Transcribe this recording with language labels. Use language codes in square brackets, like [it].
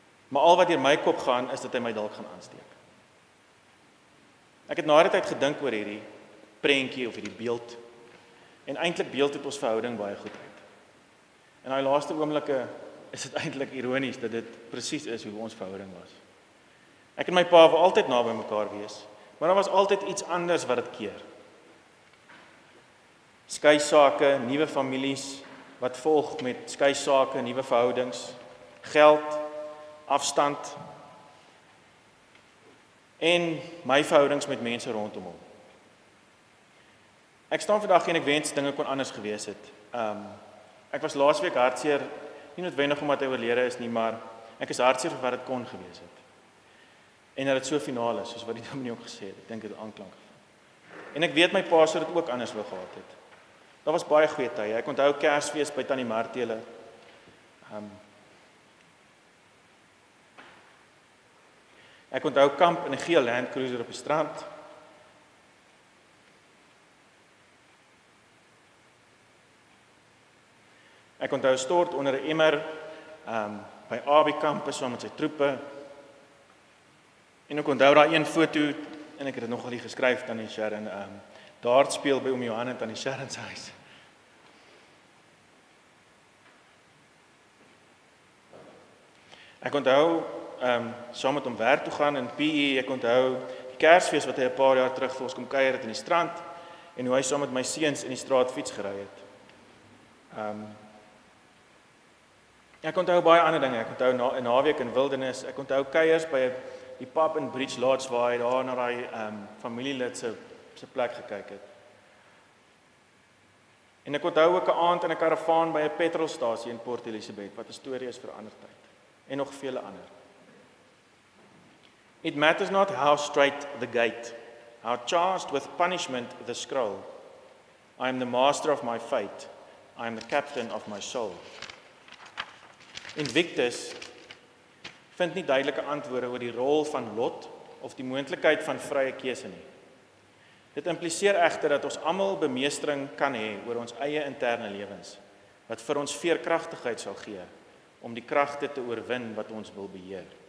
[af] Maar al wat deur my kop gaan, is dat hy my dalk gaan aansteek. Ek het na die tyd gedink oor hierdie prentjie of hierdie beeld, en eintlik beeld het ons verhouding baie goed uit. In daai laaste oomblikke is dit eintlik ironies dat dit presies is hoe ons verhouding was. Ek en my pa wou altyd naby mekaar wees, maar daar was altyd iets anders wat dit keer. Skei sake, nuwe families wat volg met skei sake, nuwe verhoudings, geld, afstand en my verhoudings met mense rondom hom. Ek staan vandag en ek wens dinge kon anders gewees het. Ek was laasweek hartseer, nie noodwendig omdat hy oorlede is nie, maar ek is hartseer vir wat dit kon gewees het. En dat het so finaal is, soos wat die dominee ook gesê het, ek dink het aanklank gevind. En ek weet my pa sou dit ook anders wil gehad het. Daar was baie goeie tye, ek onthou Kersfees by Tannie Martele. Ek onthou kamp in 'n geel Land Cruiser op die strand. Ek onthou stort onder 'n emmer by Abie kamp, saam met sy troepe. En ek onthou daai een foto, en ek het dit nogal hier geskryf, Tannie Sharon, daard speel by oom Johan en Tannie Sharon se huis. Ek onthou, saam met hom werk toe gaan in PE, ek onthou die Kersfees wat hy 'n paar jaar terug vir ons kom kuier het in die strand, en hoe hy saam met my seuns in die straat fiets gery het. Ek onthou baie ander dinge, ek onthou 'n naweek in wildernis, ek onthou kuiers by die pub in Bridge Lodge waar hy daar na hy familielid se plek gekyk het. En ek onthou ook 'n aand in 'n karavaan by 'n petrolstasie in Port Elizabeth, wat 'n storie is vir 'n ander tyd, en nog vele ander. [en] It matters not how straight the gate, how charged with punishment the scroll. I am the master of my fate, I am the captain of my soul. [af] Invictus vind nie duidelike antwoorde oor die rol van lot of die moontlikheid van vrye keuse nie. Dit impliseer egter dat ons almal bemeestering kan hê oor ons eie interne lewens, wat vir ons veerkragtigheid sal gee om die kragte te oorwin wat ons wil beheer.